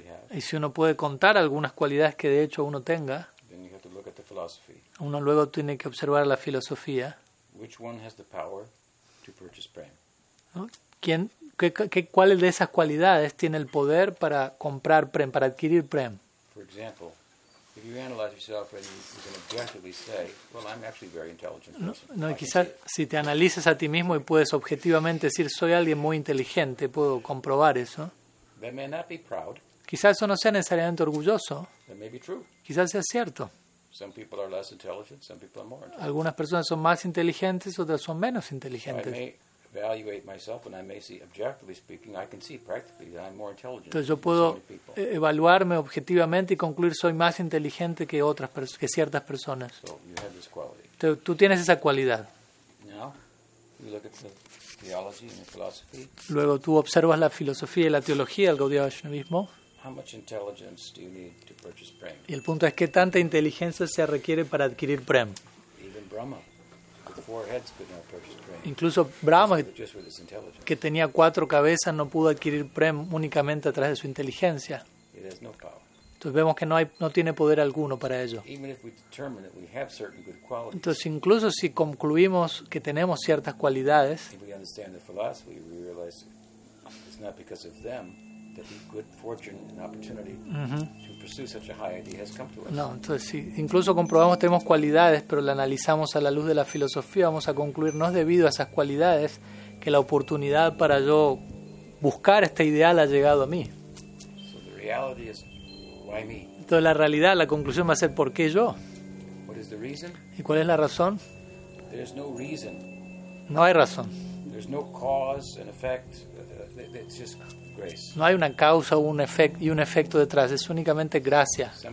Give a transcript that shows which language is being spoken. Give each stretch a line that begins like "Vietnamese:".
Spanish: Y si uno puede contar algunas cualidades que de hecho uno tenga, uno luego tiene que observar la filosofía.
English: Which one has the power to purchase prema?
Spanish: ¿No? ¿Quién, cuál de esas cualidades tiene el poder para comprar prema, para adquirir prema?
English: For example, if you analyze yourself and you can objectively say, well, I'm actually a very intelligent person.
Spanish: No, quizás si te analizas a ti mismo y puedes objetivamente decir, soy alguien muy inteligente, puedo comprobar eso.
English: That may not be proud.
Spanish: Quizás eso no sea necesariamente orgulloso.
English: That may be true.
Spanish: Quizás sea cierto.
English: Some people are less intelligent, some people are more intelligent.
Spanish: Algunas personas son más inteligentes, otras son menos inteligentes.
English: So I may evaluate myself and I may see, objectively speaking, I can see practically that I'm more intelligent.
Spanish: Entonces yo puedo evaluarme objetivamente y concluir soy más inteligente que otras que ciertas personas.
English: So you have this quality.
Spanish: Entonces, tú tienes esa cualidad.
English: Now, you look at the theology and the philosophy.
Spanish: Luego tú observas la filosofía y la teología del Gaudiya Vaishnavismo.
English: How much intelligence do you need to purchase prem?
Spanish: Y el punto es qué tanta inteligencia se requiere para adquirir prem.
English: Even Brahma, with four heads, could not purchase prem.
Spanish: Incluso Brahma, que tenía cuatro cabezas, no pudo adquirir prem únicamente a través de su inteligencia.
English: It has no power.
Spanish: Entonces vemos que no tiene poder alguno para ello.
English: Even if we determine that we have certain good qualities.
Spanish: Entonces incluso si concluimos que tenemos ciertas cualidades.
English: If we understand the philosophy, we realize it's not because of them. That good fortune and opportunity to pursue such a high idea has come to us.
Spanish: No, entonces si incluso comprobamos que tenemos cualidades, pero la analizamos a la luz de la filosofía, vamos a concluir no es debido a esas cualidades que la oportunidad para yo buscar este ideal ha llegado a mí.
English: So the reality is, why me?
Spanish: Entonces la realidad, la conclusión va a ser ¿por qué yo?
English: What is the reason?
Spanish: ¿Y cuál es la razón?
English: There's no reason.
Spanish: No hay razón.
English: There's no cause and effect. It's just
Spanish: No hay una causa y un efecto detrás, es únicamente gracia.